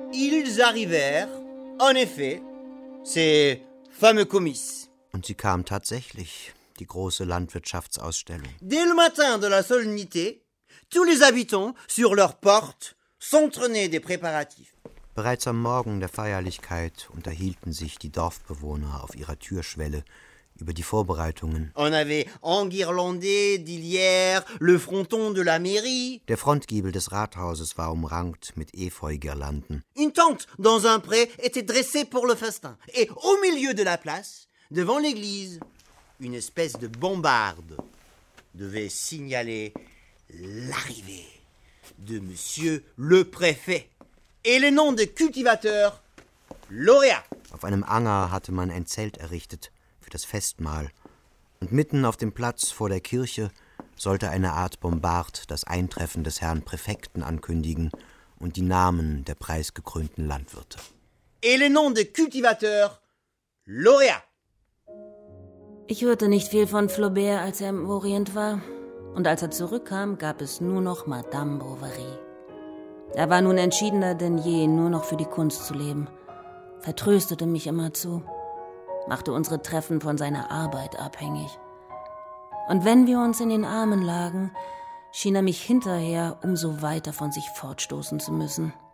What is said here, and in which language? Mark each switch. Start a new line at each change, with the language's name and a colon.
French: ils arrivèrent, en effet, ces fameux comices.
German: Und sie kamen tatsächlich, die große Landwirtschaftsausstellung.
French: Dès le matin de la solennité, tous les habitants, sur leurs portes, s'entraînaient des préparatifs.
German: Bereits am Morgen der Feierlichkeit unterhielten sich die Dorfbewohner auf ihrer Türschwelle über die Vorbereitungen.
French: On avait enguirlandé die Lierre, le fronton de la mairie.
German: Der Frontgiebel des Rathauses war umrankt mit Efeu-Girlanden.
French: Une tente dans un pré était dressée pour le festin. Et au milieu de la place, devant l'église, une espèce de bombarde devait signaler l'arrivée de monsieur le préfet et le nom de cultivateur lauréat.
German: Auf einem Anger hatte man ein Zelt errichtet für das Festmahl. Und mitten auf dem Platz vor der Kirche sollte eine Art Bombard das Eintreffen des Herrn Präfekten ankündigen und die Namen der preisgekrönten Landwirte.
French: Et le nom de cultivateur lauréat.
German: Ich hörte nicht viel von Flaubert, als er im Orient war. Und als er zurückkam, gab es nur noch Madame Bovary. Er war nun entschiedener denn je, nur noch für die Kunst zu leben. Vertröstete mich immerzu. Machte unsere Treffen von seiner Arbeit abhängig. Und wenn wir uns in den Armen lagen, schien er mich hinterher umso weiter von sich fortstoßen zu müssen.